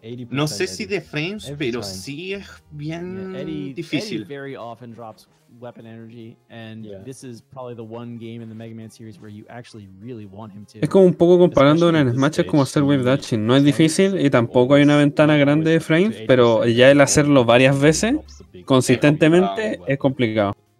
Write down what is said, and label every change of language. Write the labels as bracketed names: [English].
[Spanish] No sé si de frames, pero sí es bien difícil. [English] Weapon energy, and this is probably the one game in the Mega Man series where you actually really want him to. [Spanish] Es como un poco comparando en Smash, es como hacer wave dashing. No es difícil y tampoco hay una ventana grande de frames, pero ya el hacerlo varias veces consistentemente es complicado.